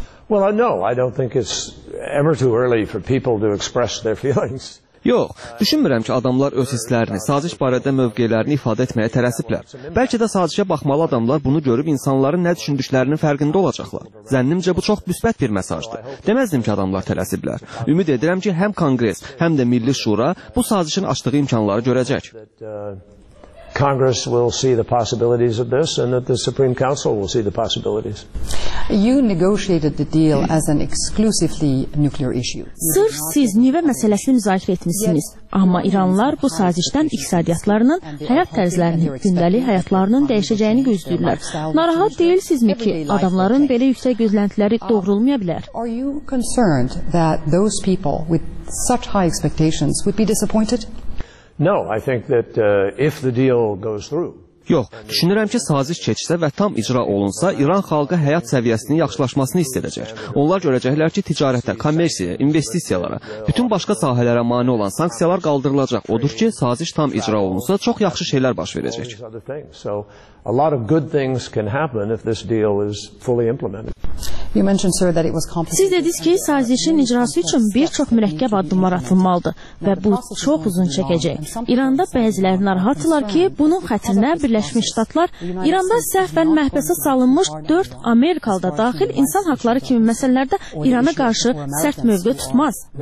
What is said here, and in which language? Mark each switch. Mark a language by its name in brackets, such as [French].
[English] Well, no, I don't think it's ever too early for people to express their feelings. [Azerbaijani] Yox, düşünmürəm ki, adamlar öz hisslərini, saziş barədə mövqelərini ifadə etməyə tələsiblər. Bəlkə də sazişə baxmalı adamlar bunu görüb insanların nə düşündüklərinin fərqində olacaqlar. Zənnimcə bu çox müsbət bir mesajdır. Deməzdim ki, adamlar tələsiblər. Ümid edirəm ki, həm Konqres, həm də Milli Şura bu sazişin açdığı imkanları görəcək. [English] Congress will see the possibilities of this and that the Supreme Council will see the possibilities. You negotiated the deal as an exclusively nuclear issue. [Azerbaijani] Sırf siz nüvə məsələsini müzakirə etmişsiniz. Amma İranlılar bu sazişdən iqtisadiyyatlarının, həyat tərzlərinin, gündəlik həyatlarının dəyişəcəyini gözləyirlər. Narahat deyilsizmi ki, adamların belə yüksək gözləntiləri doğrulmaya bilər? [English] Are you concerned that those people with such high expectations would be disappointed? No, I think that if the deal goes through. [Azerbaijani] Yox, düşünürəm ki, saziş keçsə və tam icra olunsa, İran xalqı həyat səviyyəsinin yaxşılaşmasını hiss edəcək. Onlar görəcəklər ki, ticarətə, kommersiyaya, investisiyalara, bütün başqa sahələrə mane olan sanksiyalar qaldırılacaq. Odur ki, saziş tam icra olunsa, çox yaxşı şeylər baş verəcək. [English] So, a lot of good things can happen if this deal is fully implemented. You mentioned, sir, that it was complicated. [Azerbaijani] Siz dediniz ki, sazişin icrası üçün bir çox mürəkkəb addımlar atılmalıdır və bu çox uzun çəkəcək. İranda bəziləri narahatdırlar ki, bunun xətrinə Birləşmiş Ştatlar İranda səhvən məhbəsə salınmış 4 Amerikalı da daxil insan haqları kimi məsələlərdə İrana qarşı sərt mövqe tutmaz.